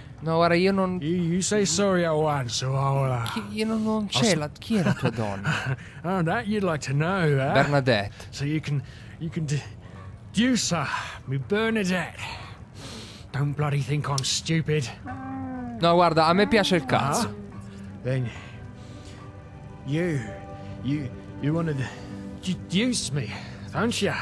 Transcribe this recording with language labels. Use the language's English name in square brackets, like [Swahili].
[Italian] No, guarda, io non. [English] You say sorry at once, or [Italian] chi è la tua donna? [English] Oh, that you'd like to know, eh? Bernadette. So you can deduce her, me Bernadette. Don't bloody think I'm stupid. [Italian] No, guarda, a me piace il cazzo. [English] Then you want to deduce me, don't you?